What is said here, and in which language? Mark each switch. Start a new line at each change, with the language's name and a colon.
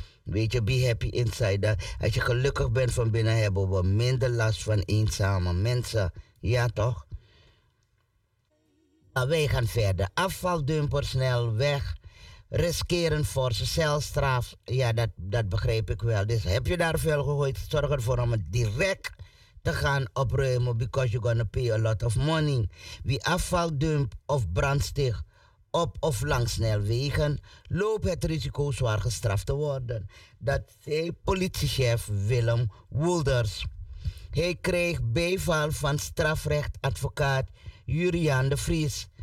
Dutch: Weet je,
English: be happy inside.
Dutch: Als je gelukkig bent van binnen, hebben we minder last van eenzame mensen. Ja, toch? Wij gaan verder. Afvaldumper snel weg. Riskeren voor ze celstraf. Ja, dat begrijp ik wel. Dus heb je daar veel gegooid, zorg ervoor om het direct te gaan opruimen.
English: Because you're gonna pay a lot of money.
Dutch: Wie afvaldump of brandsticht op of langs snelwegen, loopt het risico zwaar gestraft te worden. Dat zei politiechef Willem Wolders. Hij kreeg bijval van strafrechtadvocaat Juriaan de Vries.